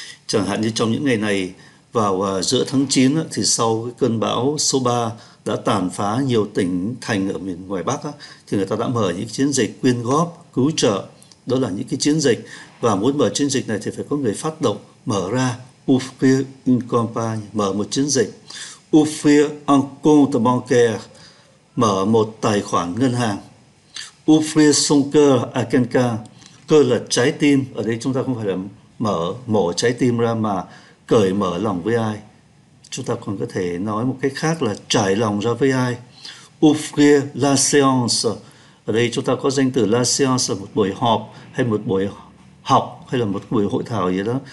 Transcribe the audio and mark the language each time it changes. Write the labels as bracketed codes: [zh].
[vi] Chẳng hạn như trong những ngày này, vào giữa tháng 9 thì sau cơn bão số 3 đã tàn phá nhiều tỉnh thành ở miền ngoài Bắc thì người ta đã mở những chiến dịch quyên góp, cứu trợ. Đó là những cái chiến dịch. Và muốn mở chiến dịch này thì phải có người phát động mở ra. [fr] Ouvrir une campagne, [vi] mở một chiến dịch. [fr] Ouvrir un compte bancaire, [vi] mở một tài khoản ngân hàng. [fr] Ouvrir son cœur à quelqu'un, [vi] cơ là trái tim. Ở đây chúng ta không phải là mở mổ trái tim ra mà cởi mở lòng với ai. Chúng ta còn có thể nói một cách khác là trải lòng ra với ai. [fr] Ouvrir la séance, [vi] ở đây chúng ta có danh từ la séance là một buổi họp hay một buổi học hay là một buổi hội thảo gì đó.